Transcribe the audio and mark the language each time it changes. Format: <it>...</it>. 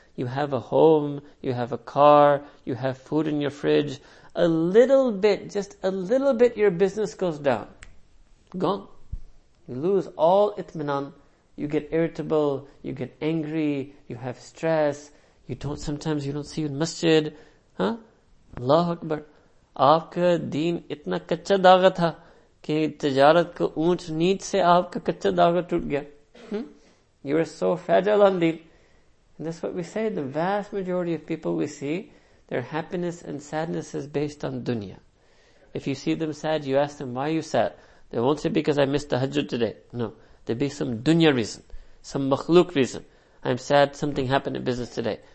<en>You have a home, you have a car, you have food in your fridge. A little bit, just a little bit, your business goes down. Gone. You lose all itminan. You get irritable, you get angry, you have stress. Sometimes you don't see you in masjid.</en> <ar>Allahu Akbar.</ar> <ur>آپکا دین اتنا کچا دھاگہ تھا، کہ تجارت کو اونچ نیچ سے آپکا کچا دھاگہ ٹوٹ گیا۔</ur> <en>You are so fragile on deen. And that's what we say, the vast majority of people we see, their happiness and sadness is based on dunya. If you see them sad, you ask them, why are you sad? They won't say, because I missed the hajj today. No. There'd be some dunya reason, some makhluk reason. I'm sad something happened in business today.</en>